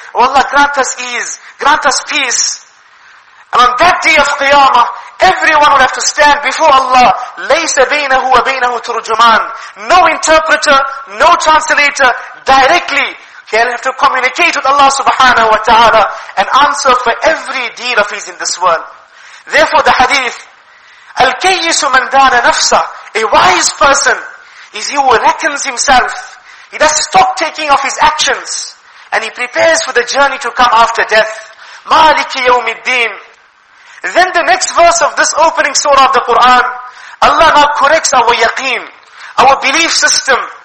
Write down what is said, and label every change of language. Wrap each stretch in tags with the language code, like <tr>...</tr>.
<en>Oh Allah, grant us ease, grant us peace. And on that day of Qiyamah, everyone will have to stand before Allah.</en> <ar>لَيْسَ بَيْنَهُ وَبَيْنَهُ تُرْجُمَانِ.</ar> <en>No interpreter, no translator, directly. He'll have to communicate with Allah subhanahu wa ta'ala and answer for every deed of his in this world. Therefore the hadith,</en> <ar>الْكَيِّسُ مَنْ دَانَ نَفْسَهُ.</ar> <en>A wise person is he who reckons himself. He does stop taking of his actions and he prepares for the journey to come after death.</en> <ar>مَالِكِ يَوْمِ الدِّينِ.</ar> <en>Then the next verse of this opening surah of the Qur'an, Allah now corrects our yaqeen, our belief system.</en>